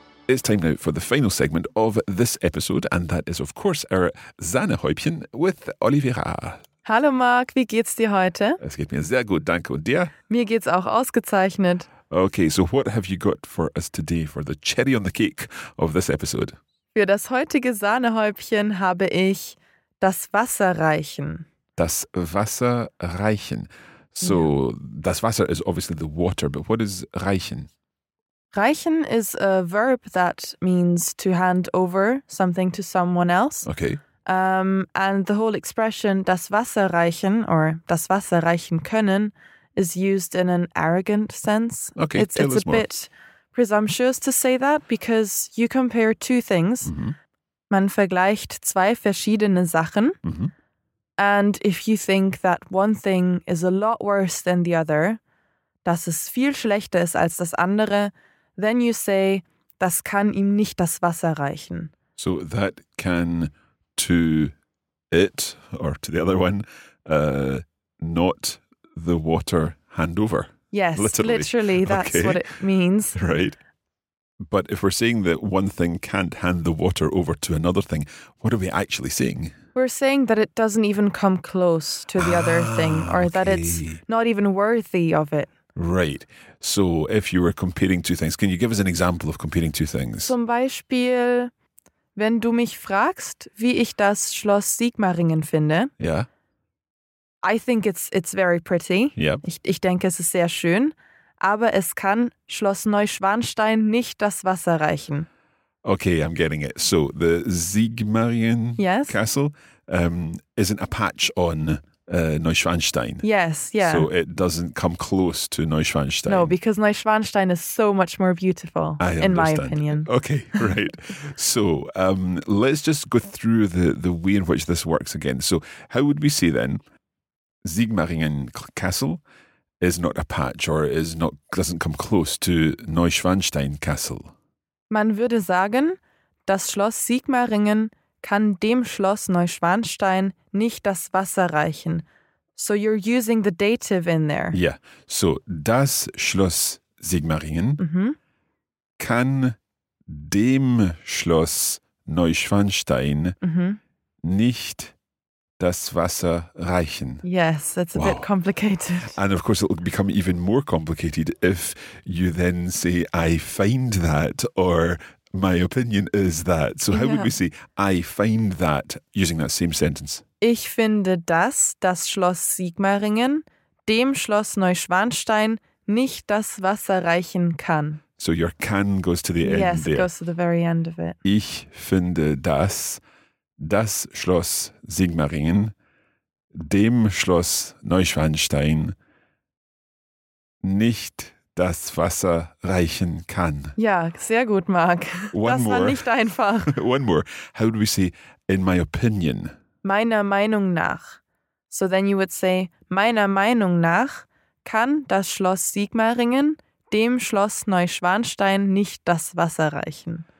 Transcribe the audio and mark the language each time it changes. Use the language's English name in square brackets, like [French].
[English] It's time now for the final segment of this episode, and that is, of course, our Sahnehäubchen with Oliveira. [German] Hallo Marc, wie geht's dir heute? Es geht mir sehr gut, danke. Und dir? Mir geht's auch ausgezeichnet. [English] Okay, so what have you got for us today, for the cherry on the cake of this episode? [German] Für das heutige Sahnehäubchen habe ich das Wasser reichen. Das Wasser reichen. So, yeah. [English] Das Wasser is obviously the water, but what is reichen? Reichen is a verb that means to hand over something to someone else. Okay. And the whole expression das Wasser reichen or das Wasser reichen können is used in an arrogant sense. Okay, it's a bit presumptuous to say that because you compare two things. Mm-hmm. [German] Man vergleicht zwei verschiedene Sachen. Mm-hmm. [English] And if you think that one thing is a lot worse than the other, [German] dass es viel schlechter ist als das andere, [English] then you say, [German] das kann ihm nicht das Wasser reichen. [English] So that can to it or to the other one not the water handover. Yes, literally that's okay. What it means. Right. But if we're saying that one thing can't hand the water over to another thing, what are we actually saying? We're saying that it doesn't even come close to the other thing or okay. That it's not even worthy of it. Right. So if you were comparing two things, can you give us an example of comparing two things? [German] Zum Beispiel, wenn du mich fragst, wie ich das Schloss Sigmaringen finde. Ja. [English] I think it's very pretty. Yep. [German] Ich denke, es ist sehr schön. Aber es kann Schloss Neuschwanstein nicht das Wasser reichen. [English] Okay, I'm getting it. So the Sigmaringen Castle isn't a patch on Neuschwanstein. Yes, yeah. So it doesn't come close to Neuschwanstein. No, because Neuschwanstein is so much more beautiful, in my opinion. Okay, right. So let's just go through the way in which this works again. So how would we say then? Sigmaringen Castle is not a patch or doesn't come close to Neuschwanstein Castle. [German] Man würde sagen, das Schloss Sigmaringen kann dem Schloss Neuschwanstein nicht das Wasser reichen. [English] So you're using the dative in there. Yeah. [German] So das Schloss Sigmaringen kann dem Schloss Neuschwanstein nicht das Wasser reichen. [English] Yes, that's a bit complicated. And of course, it will become even more complicated if you then say, I find that, or my opinion is that. So how would we say, I find that, using that same sentence? [German] Ich finde das Schloss Sigmaringen, dem Schloss Neuschwanstein, nicht das Wasser reichen kann. [English] So your kann goes to the end Yes, there. It goes to the very end of it. [German] Ich finde das Schloss Sigmaringen, dem Schloss Neuschwanstein, nicht das Wasser reichen kann. Ja, sehr gut, Mark. War nicht einfach. [English] One more. How do we say, in my opinion? [German] Meiner Meinung nach. [English] So then you would say, [German] meiner Meinung nach kann das Schloss Sigmaringen dem Schloss Neuschwanstein nicht das Wasser reichen.